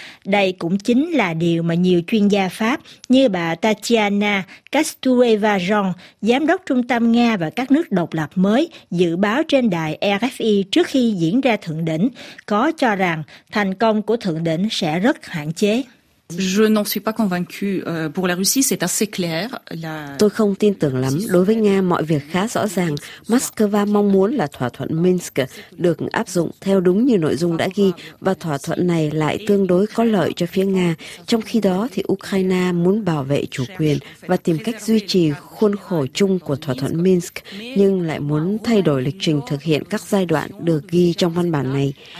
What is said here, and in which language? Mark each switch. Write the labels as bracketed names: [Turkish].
[Vietnamese] Đây cũng chính là điều mà nhiều chuyên gia Pháp như bà Tatiana Kastueva-Jean, giám đốc Trung tâm Nga và các nước độc lập mới, dự báo trên đài RFI trước khi diễn ra thượng đỉnh, có cho rằng thành công của thượng đỉnh sẽ rất hạn chế. [French] Je n'en suis pas convaincu. Pour la Russie, c'est assez clair. [Vietnamese] Tôi không tin tưởng lắm. Đối với Nga, mọi việc khá rõ ràng. Moscow mong muốn là thỏa thuận Minsk được áp dụng theo đúng như nội dung đã ghi, và thỏa thuận này lại tương đối có lợi cho phía Nga. Trong khi đó thì Ukraine muốn bảo vệ chủ quyền và tìm cách duy trì khuôn khổ chung của thỏa thuận Minsk, nhưng lại muốn thay đổi lịch trình thực hiện các giai đoạn được ghi trong văn bản này.